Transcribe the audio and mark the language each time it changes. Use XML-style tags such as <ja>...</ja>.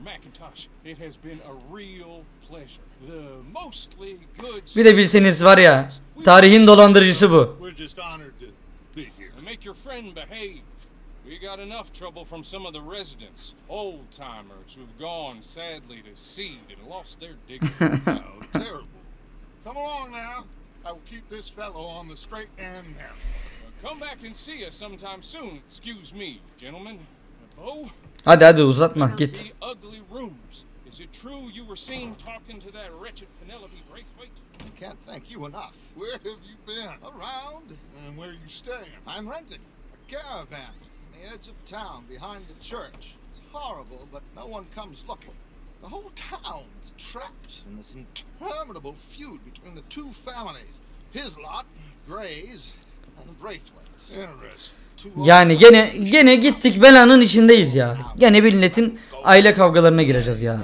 <en>McIntosh, it has been a real pleasure. The mostly good.</en> <tr>Bir de bilseniz var ya, tarihin dolandırıcısı bu.</tr> <en>We're just honored to be here. Make your friend behave. We got enough trouble from some of the residents, old timers who've gone sadly to seed and lost their dignity. Terrible. Come along now. I will keep this fellow on the straight and narrow. Come back and see us sometime soon. Excuse me, gentlemen. Oh.</en> <tr>Hadi hadi uzatma git.</tr> <en>Is it true you were seen talking to that wretched Penelope Braithwaite? I can't thank you enough. Where have you been? Around. And where are you staying? I'm renting a caravan on the edge of town behind the church. It's horrible, but no one comes looking. The whole town is trapped in this interminable feud between the two families. His lot, Gray's, and Braithwaite's. Interesting.</en> <tr>Yani gene gittik belanın içindeyiz ya. Gene milletin aile kavgalarına gireceğiz ya.</tr>